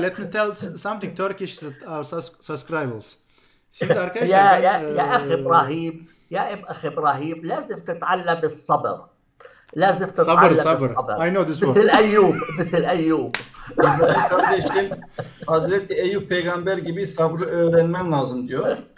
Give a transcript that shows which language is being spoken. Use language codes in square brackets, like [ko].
[en] Let me tell something Turkish to our subscribers. [tr] Şimdi [ar] يا أخي [tr] arkadaşlar [ar] إبراهيم يا أخي إبراهيم لازم تتعلم الصبر لازم [tr] Sabır, [ar] تتعلم [tr] sabır. [ar] الصبر [en] I know this [ar] مثل [en] word. [ar] أيوب مثل أيوب [tr] İbrahim kardeşim, Hazreti Eyüp peygamber gibi sabrı öğrenmem lazım diyor.